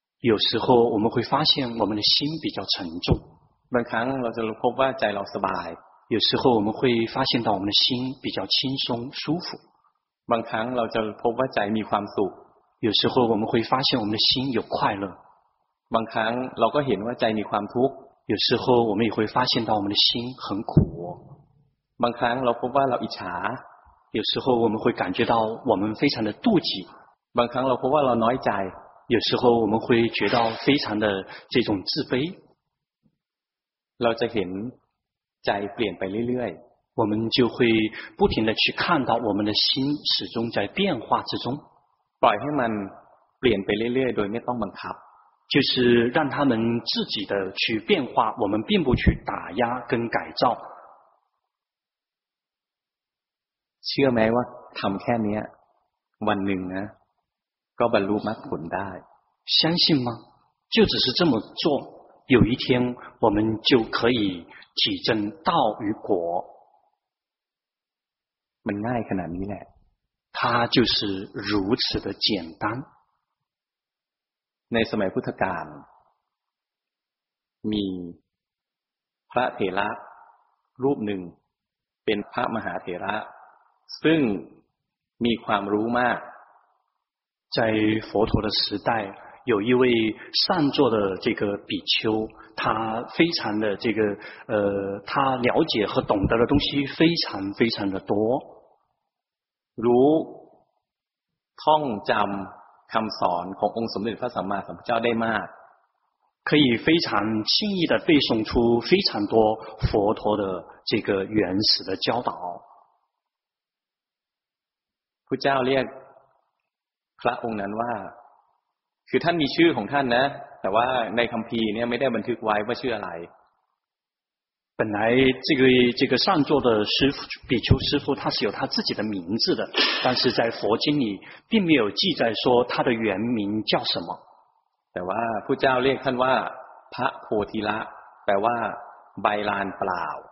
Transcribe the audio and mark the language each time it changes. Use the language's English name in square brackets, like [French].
[Chinese] 有时候我们会发现我们的心比较沉重。 [Thai] บางครั้งเราจะพบว่าใจเราสบาย [Chinese] 有时候我们会发现到我们的心比较轻松舒服。 [Thai] บางครั้งเราจะพบว่าใจมีความสุข [Chinese] 有时候我们会发现我们的心有快乐。 [Thai] บางครั้งเราก็เห็นว่าใจมีความทุกข์ [Chinese] 有时候我们也会发现到我们的心很苦。 [Thai] บางครั้งเราพบว่าเราอิจฉา [Chinese] 有时候我们会感觉到我们非常的妒忌。 [Thai] บางครั้งเราพบว่าเราน้อยใจ [Chinese] 有时候我们会觉得非常的这种自卑。 [Thai] เราจะเห็นใจเปลี่ยนไปเรื่อย [Chinese] ๆ我们就会不停的去看到我们的心始终在变化之中 [Thai] ปล่อยให้มันเปลี่ยนไปเรื่อยๆโดยไม่ต้องบังคับ [Chinese] 就是让他们自己的去变化我们并不去打压跟改造 [Thai] เชื่อไหมว่าทำแค่นี้วันหนึ่งนะก็บรรลุมรรคผลได้ [Chinese] 相信吗就只是这么做有一天我们就可以起证道与果 [Thai] มันง่ายขนาดนี้แหละ [Chinese] 它就是如此的简单 [Thai] ในสมัยพุทธกาลมีพระเถระรูปหนึ่งเป็นพระมหาเถระซึ่งมีความรู้มาก [Chinese] 在佛陀的时代有一位善坐的这个比丘，他非常的这个他了解和懂得的东西非常非常的多。如通章 [Thai] คำสอนขององค์สมเด็จพระสัมมาสัมพุทธเจ้าได้มาก [Chinese] 可以非常轻易的背诵出非常多佛陀的这个原始的教导。 [Thai] พุทธเจ้าเรียกพระองค์นั้นว่าคือท่านมีชื่อของท่านนะแต่ว่าในคัมภีร์เนี่ยไม่ได้บันทึกไว้ว่าชื่ออะไร [Chinese] 本来这个善坐的师父比丘师父他是有他自己的名字的但是在佛经里并没有记载说他的原名叫什么 [Thai] แต่ว่าพุทธเจ้าเรียกท่านว่าพระโพธิละแปลว่าใบลานเปล่า